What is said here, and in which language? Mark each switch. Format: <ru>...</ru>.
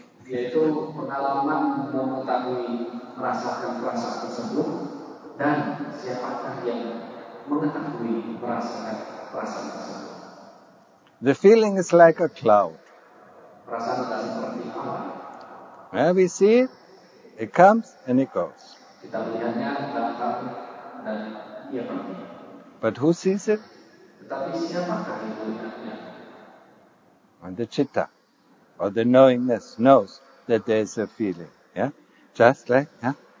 <id>Yaitu pengalaman mengetahui merasakan rasa tersebut dan siapakah yang mengetahui merasakan rasa tersebut.</id> <en>The feeling is like a cloud.</en> <id>Perasaan adalah seperti awan.</id> <en>Well, we see it, it comes and it goes.</en> <id>Kita melihatnya datang dan ia pergi.</id> <en>But who sees it?</en> <id>Tetapi siapakah yang melihatnya?</id> <en>And the citta. Or the knowingness knows that there is a feeling, yeah? Just like, yeah?</en>